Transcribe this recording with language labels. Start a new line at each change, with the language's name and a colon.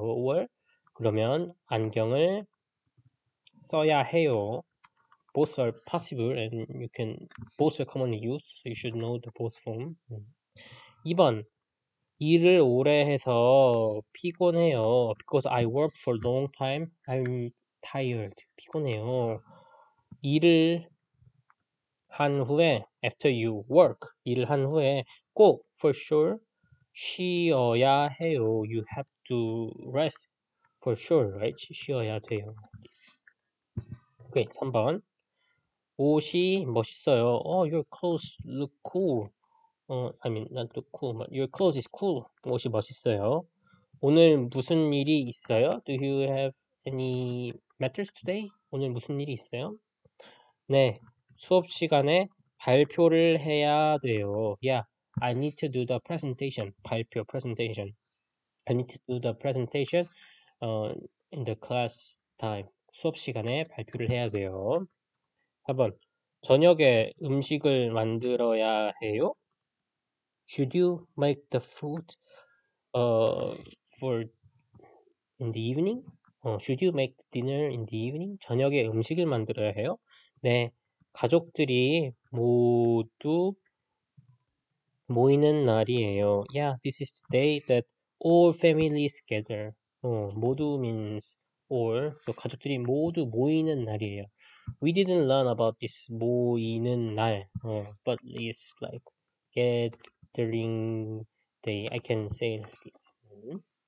Korean: Or 그러면 안경을 써야 해요.
English: Both are possible and you can both are commonly used, so you should know the both form.
Korean: 2번. 일을 오래 해서 피곤해요.
English: Because I work for a long time, I'm tired.
Korean: 피곤해요. 일을 한 후에,
English: after you work,
Korean: 일을 한 후에 꼭
English: for sure
Korean: 쉬어야 해요.
English: You have to rest for sure, right?
Korean: 쉬어야 돼요.
English: 오케이, 3번.
Korean: 옷이 멋있어요.
English: Oh, your clothes look cool. I mean, not look cool, but your clothes is cool.
Korean: 옷이 멋있어요. 오늘 무슨 일이 있어요?
English: Do you have any matters today?
Korean: 오늘 무슨 일이 있어요? 네, 수업 시간에 발표를 해야 돼요.
English: Yeah, I need to do the presentation.
Korean: 발표,
English: presentation. I need to do the presentation, in the class time.
Korean: 수업 시간에 발표를 해야 돼요. 4번. 저녁에 음식을 만들어야 해요?
English: Should you make the food, for in the evening? Should you make dinner in the evening?
Korean: 저녁에 음식을 만들어야 해요? 네. 가족들이 모두 모이는 날이에요.
English: Yeah, this is the day that all families gather.
Korean: 모두 means or 또 가족들이 모두 모이는 날이에요.
English: We didn't learn about this 모이는 날. But it's like gathering day. I can say like this.